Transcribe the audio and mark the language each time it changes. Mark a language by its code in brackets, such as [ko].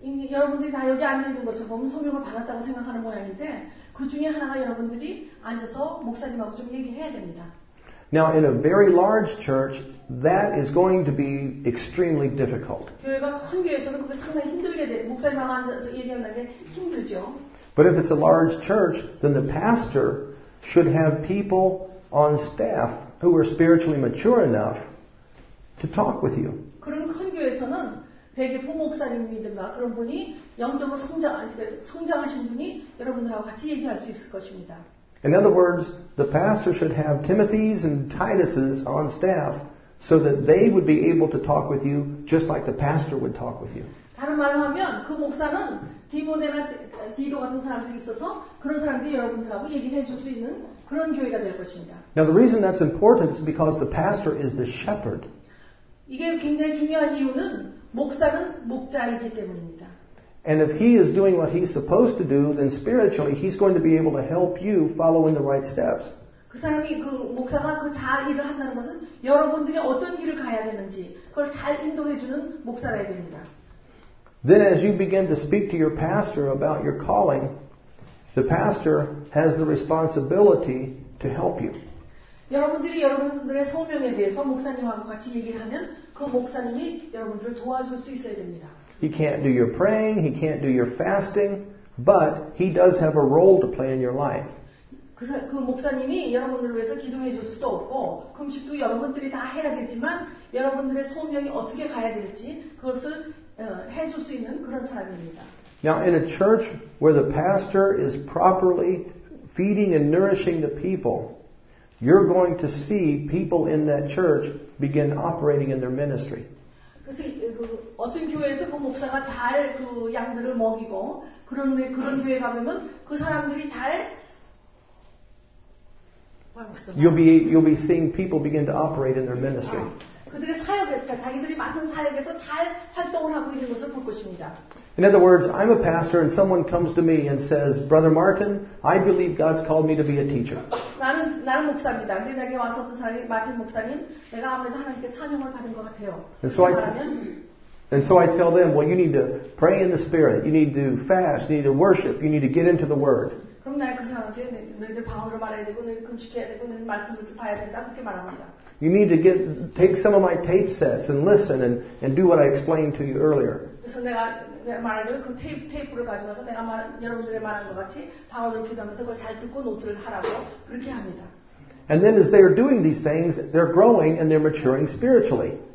[ko] 여러분들이 다 여기 앉아 있는 것을 보면 소명을 받았다고 생각하는 모양인데 그 중에 하나가 여러분들이 앉아서 목사님하고 좀 얘기해야 됩니다. [en] Now, in a very large church, that is going to be extremely difficult. [ko] 교회가 큰 교회에서는 그게 상당히 힘들게 돼 목사님하고 앉아서 얘기한다는 게 힘들죠. [en] But if it's a large church, then the pastor should have people on staff who are spiritually mature enough to talk with you. [ko] 그런 큰 교회에서는 대개 부목사님이든가 그런 분이 영적으로 성장하신 분이 여러분들하고 같이 얘기할 수 있을 것입니다. [en] In other words, the pastor should have Timothys and Tituses on staff so that they would be able to talk with you just like the pastor would talk with you. [ko] 다른 말로 하면 그 목사는 디모데나 디도 같은 사람들이 있어서 그런 사람들이 여러분들하고 얘기를 해줄 수 있는 그런 교회가 될 것입니다. [en] Now the reason that's important is because the pastor is the shepherd. [ko] 이게 굉장히 중요한 이유는 목사는 목자이기 때문입니다. [en] And if he is doing what he's supposed to do, then spiritually he's going to be able to help you follow in the right steps. [ko] 그 사람이 그 목사가 그 잘 일을 한다는 것은 여러분들이 어떤 길을 가야 되는지 그걸 잘 인도해 주는 목사라 해야 됩니다. [en] Then as you begin to speak to your pastor about your calling, the pastor has the responsibility to help you. [ko] 여러분들이 여러분들의 소명에 대해서 목사님하고 같이 얘기를 하면 그 목사님이 여러분들을 도와줄 수 있어야 됩니다. [en] He can't do your praying, he can't do your fasting, but he does have a role to play in your life. [ko] 그 목사님이 여러분들을 위해서 기도해 줄 수도 없고 금식도 여러분들이 다 해야 되지만 여러분들의 소명이 어떻게 가야 될지 그것을 해줄 수 있는 그런 사람입니다. [en] Now in a church where the pastor is properly feeding and nourishing the people, you're going to see people in that church begin operating in their ministry. [ko] 그래서 그 어떤 교회에서 그 목사가 잘 그 양들을 먹이고 그런 교회 가면 그 사람들이 잘 [en] You'll be seeing people begin to operate in their ministry. [ko] 그들의 사역에서 자기들이 맡은 사역에서 잘 활동을 하고 있는 것을 볼 것입니다. [en] In other words, I'm a pastor and someone comes to me and says, Brother Martin, I believe God's called me to be a teacher. [ko] 나는 목사입니다. 근데 내게 와서 그 사람이 마틴 목사님, 내가 아무래도 하나님께 사명을 받은 것 같아요. [en] And so I tell them, well, you need to pray in the Spirit. You need to fast. You need to worship. You need to get into the Word. [ko] 그럼 내가 그 사람한테 너희들 방언을 말해야 되고 너희들 금식해야 되고 너희들 말씀을 봐야 된다 그렇게 말합니다. [en] You need to take some of my tape sets and listen and do what I explained to you earlier. [ko] 그래서 내가 말하는 그 테이프를 가져가서 내가 말 여러분들이 말하는 것 같이 방언을 기도하면서 그걸 잘 듣고 노트를 하라고 그렇게 합니다. [en] And then as they are doing these things, they're growing and they're maturing spiritually.